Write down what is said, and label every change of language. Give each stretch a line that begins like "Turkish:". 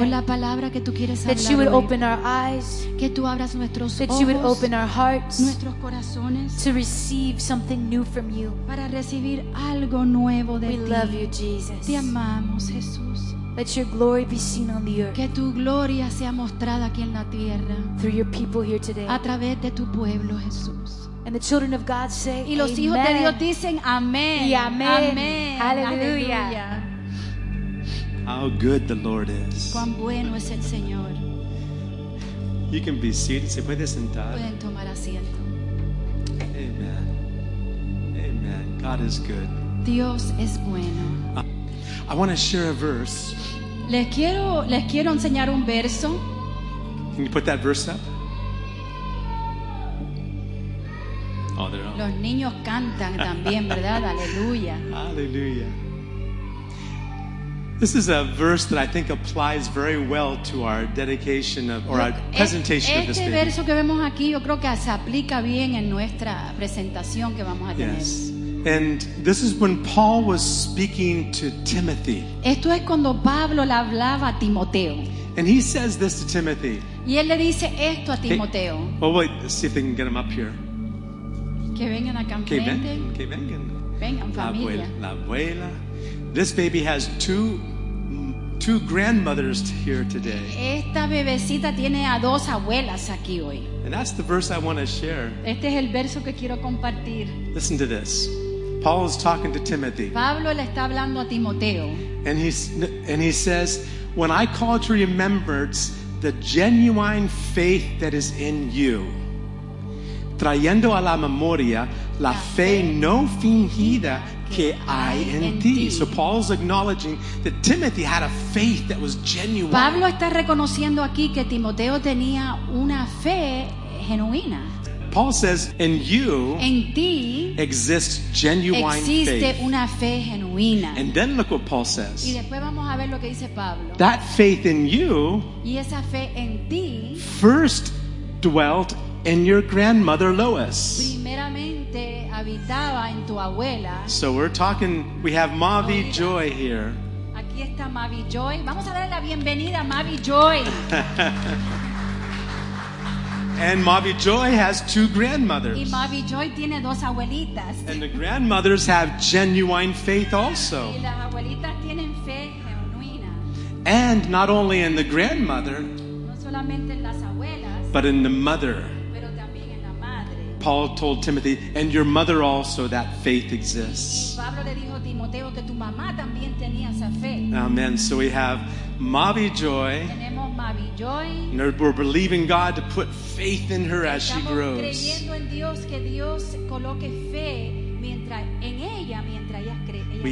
Spanish: por la palabra que tú quieres
English: that you would open our eyes,
Spanish: que tú abras nuestros ojos,
English: that you would open our hearts,
Spanish: nuestros corazones,
English: to receive something new from you,
Spanish: para recibir algo nuevo de
English: we
Spanish: ti.
English: Love you, Jesus.
Spanish: Te amamos, Jesús.
English: Let your glory be seen on the earth,
Spanish: que tu gloria sea mostrada aquí en la tierra,
English: through your people here today,
Spanish: a través de tu pueblo, Jesús.
English: And the children of God say,
Spanish: y los amen. Hijos de Dios dicen amén y amén, amén. Aleluya.
English: How good the Lord is.
Spanish: Cuán bueno es el Señor.
English: You can be seated.
Spanish: Se puede sentar. Pueden tomar asiento.
English: Amen. Amen. God is good.
Spanish: Dios es bueno.
English: I want to share a verse.
Spanish: Les quiero enseñar un verso.
English: Can you put that verse up? Oh, they're on.
Spanish: Los niños cantan también, ¿verdad? Aleluya. Aleluya.
English: This is a verse that I think applies very well to our dedication of, or our presentation
Spanish: este
English: of this baby.
Spanish: Verso que vemos aquí, yo creo que se aplica bien en nuestra presentación que vamos a tener.
English: Yes. And this is when Paul was speaking to Timothy.
Spanish: Esto es cuando Pablo le hablaba a Timoteo.
English: And he says this to Timothy.
Spanish: Y él le dice esto a Timoteo.
English: Okay. Well, wait, let's see if they can get him up here.
Spanish: Que vengan acá en frente. Que vengan. Vengan, familia. La abuela.
English: This baby has two grandmothers here today.
Spanish: Esta bebecita tiene a dos abuelas aquí hoy.
English: And that's the verse I want to share.
Spanish: Este es el verso que quiero compartir.
English: Listen to this. Paul is talking to Timothy.
Spanish: Pablo le está hablando a Timoteo.
English: And he says, "When I call to remembrance the genuine faith that is in you,
Spanish: trayendo a la memoria la fe no fingida que hay en ti.
English: So Paul's acknowledging that Timothy had a faith that was genuine.
Spanish: Pablo está reconociendo aquí que Timoteo tenía una fe genuina.
English: Paul says, "In you,
Spanish: en ti,
English: exists genuine
Spanish: existe
English: faith."
Spanish: Una fe genuina.
English: And then look what Paul says.
Spanish: Y después vamos a ver lo que dice Pablo.
English: That faith in you,
Spanish: y esa fe en ti,
English: first dwelt in your grandmother Lois.
Spanish: Primeramente habitaba en tu abuela.
English: So we're talking. We have Mavi Oiga. Joy here.
Spanish: Aquí está Mavi Joy. Vamos a darle la bienvenida a Mavi Joy.
English: And Mavi Joy has two grandmothers.
Spanish: Y Mavi Joy tiene dos abuelitas.
English: And the grandmothers have genuine faith also.
Spanish: Y las abuelitas tienen fe genuina.
English: And not only in the grandmother,
Spanish: no solamente en las abuelas,
English: but in the mother.
Spanish: Pero también en la madre.
English: Paul told Timothy, and your mother also, that faith exists.
Spanish: Y Pablo le dijo a Timoteo que tu mamá también tenía esa fe.
English: Amen. So we have Mavi Joy. Joy. We're believing God to put faith in her as she grows.
Spanish: Estamos creyendo en Dios que Dios coloque fe mientras en ella mientras ella crece.